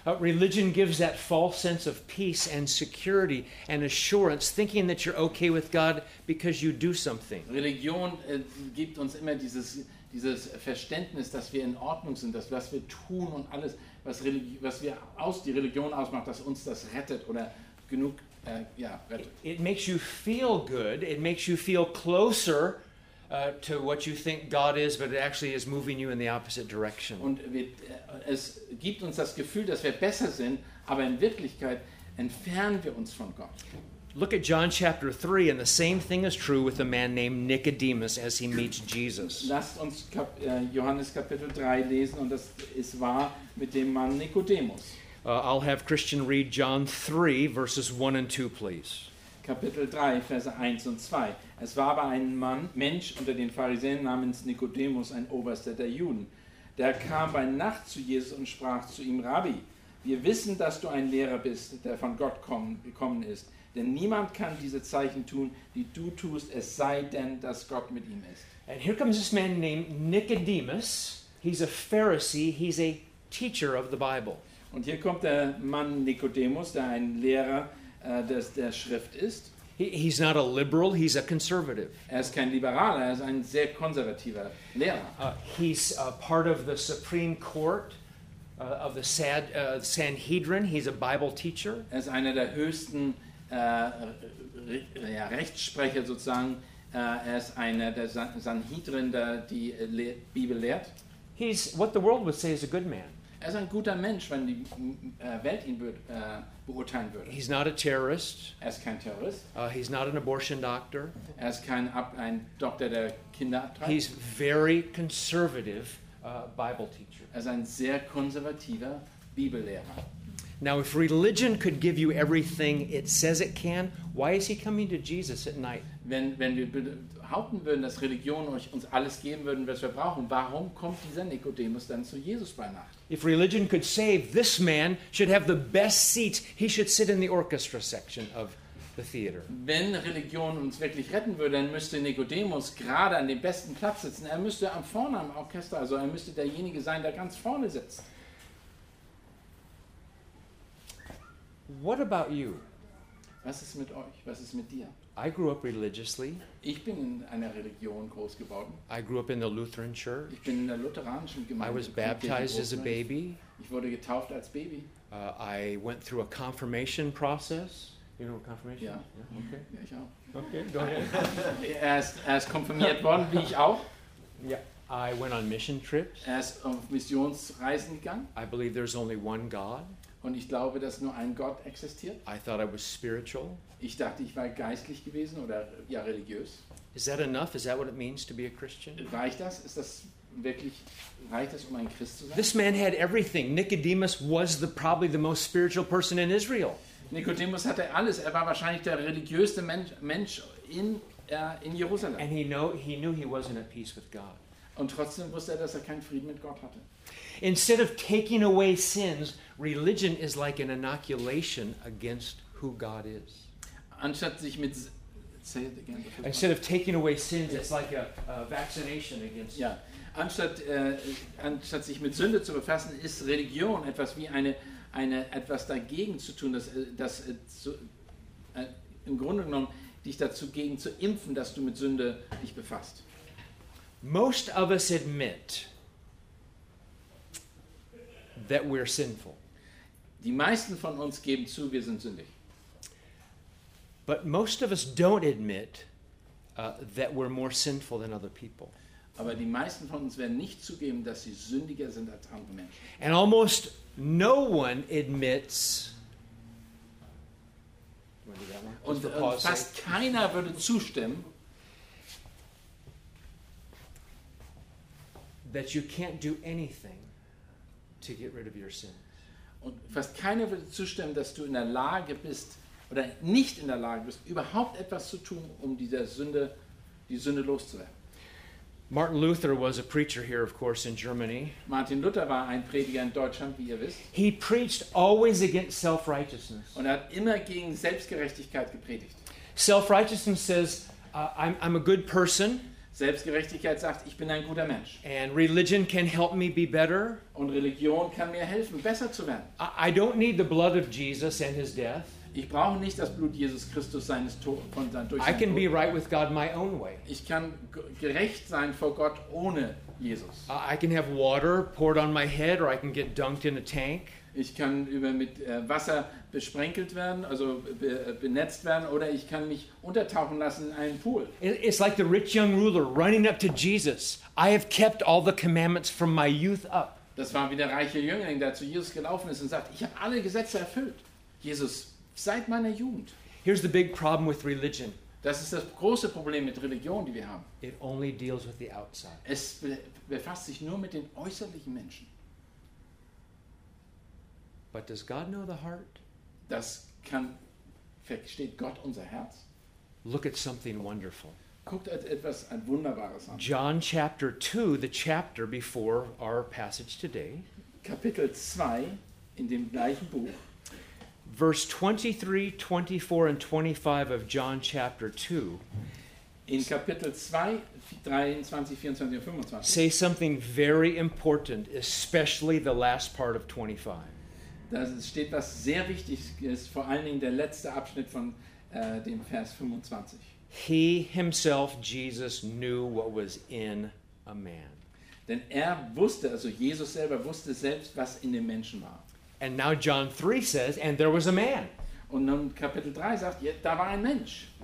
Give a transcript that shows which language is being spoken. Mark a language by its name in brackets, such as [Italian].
[English] Religion gives that false sense of peace and security and assurance, thinking that you're okay with God because you do something. [German] Religion gibt uns immer dieses Verständnis, dass wir in Ordnung sind, dass was wir tun und alles, was die Religion ausmacht, dass uns das rettet oder genug rettet. [English] It makes you feel good. It makes you feel closer to what you think God is, but it actually is moving you in the opposite direction. [German] Und es gibt uns das Gefühl, dass wir besser sind, aber in Wirklichkeit entfernen wir uns von Gott. [English] Look at John chapter 3, and the same thing is true with a man named Nicodemus as he meets Jesus. [German] Lasst uns Johannes Kapitel 3 lesen, und das ist wahr mit dem Mann Nicodemus. [English] I'll have Christian read John 3, verses 1 and 2, please. [German] Kapitel 3, Verse 1 und 2. Es war aber ein Mensch unter den Pharisäern namens Nikodemus, ein Oberster der Juden. Der kam bei Nacht zu Jesus und sprach zu ihm: Rabbi, wir wissen, dass du ein Lehrer bist, der von Gott gekommen ist. Denn niemand kann diese Zeichen tun, die du tust, es sei denn, dass Gott mit ihm ist. [English] And here comes this man named Nicodemus. He's a Pharisee. He's a teacher of the Bible. [German] Und hier kommt der Mann Nikodemus, der ein Lehrer dass der Schrift ist. [English] He's not a liberal, he's a conservative. [German] Er ist kein Liberaler, er ist ein sehr konservativer Lehrer. [English] He's a part of the Supreme Court of the Sanhedrin. He's a Bible teacher. [German] Er ist einer der höchsten Rechtssprecher sozusagen. Er ist einer der Sanhedrin, der die Bibel lehrt. [English] He's what the world would say is a good man. [German] Er ist ein guter Mensch, wenn die Welt ihn beurteilen würde. [English] He's not a terrorist. [German] Er ist kein Terrorist. [English] He's not an abortion doctor. [German] Er ist kein ein Doktor der Kinder. [English] He's very conservative Bible teacher. [German] Er ist ein sehr konservativer Bibellehrer. [English] Now, if religion could give you everything it says it can, why is he coming to Jesus at night? [German] Wenn wir behaupten würden, dass Religion uns alles geben würden, was wir brauchen, warum kommt dieser Nikodemus dann zu Jesus bei Nacht? [English] If religion could save, this man should have the best seat. He should sit in the orchestra section of the theater. [German] Wenn Religion uns wirklich retten würde, dann müsste Nikodemus gerade an dem besten Platz sitzen. Er müsste am vorne am Orchester, also er müsste derjenige sein, der ganz vorne sitzt. [English] What about you? [German] Was ist mit euch? Was ist mit dir? [English] I grew up religiously. [German] Ich bin in einer Religion groß geworden. [English] I grew up in the Lutheran Church. [German] Ich bin in der lutheranischen Gemeinde. [English] I was baptized as a baby. [German] Ich wurde getauft als Baby. [English] I went through a confirmation process. You know confirmation? [German] Ja. Okay. Ja, ich auch. [English] Okay, go ahead. [German] Er ist konfirmiert worden, wie ich auch. [English] Ja. I went on mission trips. [German] Er ist auf Missionsreisen gegangen. [English] I believe there's only one God. [German] Und ich glaube, dass nur ein Gott existiert. [English] I thought I was spiritual. [German] Ich dachte, ich war geistlich gewesen oder ja religiös. [English] Is that enough? Is that what it means to be a Christian? [German] Reicht das? Ist das wirklich reicht das, um ein Christ zu sein? [English] This man had everything. Nicodemus was probably the most spiritual person in Israel. [German] Nicodemus hatte alles. Er war wahrscheinlich der religiöste Mensch in Jerusalem. [English] And he knew he wasn't at peace with God. [German] Und trotzdem wusste er, dass er keinen Frieden mit Gott hatte. [English] Instead of taking away sins, religion is like an inoculation against who God is. [German] Anstatt sich mit [English] say it again. Instead of taking away sins, it's like a vaccination against. [German] Ja. Anstatt sich mit Sünde zu befassen, ist Religion etwas wie eine etwas dagegen zu tun, das im Grunde genommen dich dazu gegen zu impfen, dass du mit Sünde dich befasst. [English] Most of us admit that we're sinful. [German] Die meisten von uns geben zu, wir sind sündig. [English] But most of us don't admit that we're more sinful than other people. [German] Aber die meisten von uns werden nicht zugeben, dass sie sündiger sind als andere Menschen. [English] And almost no one admits. [German] Und fast keiner würde zustimmen, [English] that you can't do anything to get rid of your sin. [German] Und fast keiner würde zustimmen, dass du in der Lage bist oder nicht in der Lage bist, überhaupt etwas zu tun, um die Sünde loszuwerden. [English] Martin Luther was a preacher here, of course, in Germany. [German] Martin Luther war ein Prediger in Deutschland, wie ihr wisst. [English] He preached always against self-righteousness. [German] Und er hat immer gegen Selbstgerechtigkeit gepredigt. [English] Self-righteousness says, I'm a good person. [German] Selbstgerechtigkeit sagt, ich bin ein guter Mensch. [English] And religion can help me be better. [German] Und Religion kann mir helfen, besser zu werden. [English] I don't need the blood of Jesus and his death. [German] Ich brauche nicht das Blut Jesus Christus seines Todes von seinem Tod. [English] I can be right with God my own way. [German] Ich kann gerecht sein vor Gott ohne Jesus. [English] I can have water poured on my head or I can get dunked in a tank. [German] Ich kann mit Wasser besprenkelt werden, also benetzt werden, oder ich kann mich untertauchen lassen in einen Pool. [English] It's like the rich young ruler running up to Jesus. I have kept all the commandments from my youth up. [German] Das war wie der reiche Jüngling, der zu Jesus gelaufen ist und sagt, ich habe alle Gesetze erfüllt. Jesus, seit meiner Jugend. [English] Here's the big problem with religion. [German] Das ist das große Problem mit Religion, die wir haben. [English] It only deals with the outside. [German] Es befasst sich nur mit den äußerlichen Menschen. [English] But does God know the heart? [German] Versteht Gott unser Herz? [English] Look at something wonderful. [German] Guckt etwas ein Wunderbares an. [English] John chapter 2, the chapter before our passage today. [German] Kapitel 2 in dem gleichen Buch. [English] Verse 23, 24 and 25 of John chapter 2. [German] In Kapitel 2, 23, 24 und 25. [English] Say something very important, especially the last part of 25. [German] Da steht was sehr Wichtiges, vor allen Dingen der letzte Abschnitt von dem Vers 25. [English] He himself, Jesus, knew what was in a man. [German] Denn er wusste, also Jesus selber wusste selbst, was in dem Menschen war. [English] And now John 3 says, and there was a man. [German] Und nun Kapitel 3 sagt, ja, da war ein Mensch.